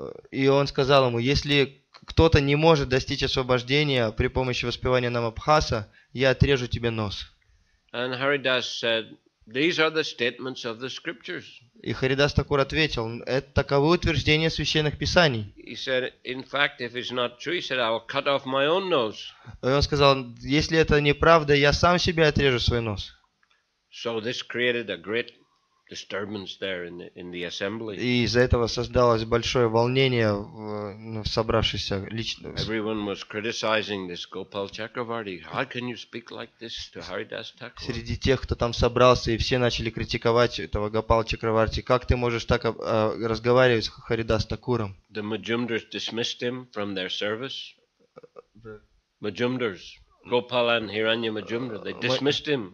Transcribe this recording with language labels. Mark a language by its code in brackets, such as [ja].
[ru] И он сказал ему, если кто-то не может достичь освобождения при помощи воспевания намабхаса, я отрежу тебе нос. [en] And Haridas said, these are the statements of the scriptures. [ru] И Харидас Такур ответил, это таковы утверждения священных писаний. [en] He said, in fact, if it's not true, he said, I'll cut off my own nose. [ru] И он сказал, если это неправда, я сам себе отрежу свой нос. [en] So this created a great disturbance there in the assembly. [ru] И из-за этого создалось большое волнение в собравшихся лично. [en] Everyone was criticizing this Gopal Chakravarti. How can you speak like this to Haridas Thakur? [ru] Среди тех, кто там собрался, и все начали критиковать этого Гопала Чакраварти. Как ты можешь так разговаривать с Харидас Такуром? [en] The Majumdars dismissed him from their service. Majumdars. Gopal and Hiranya Majumdar, they dismissed him.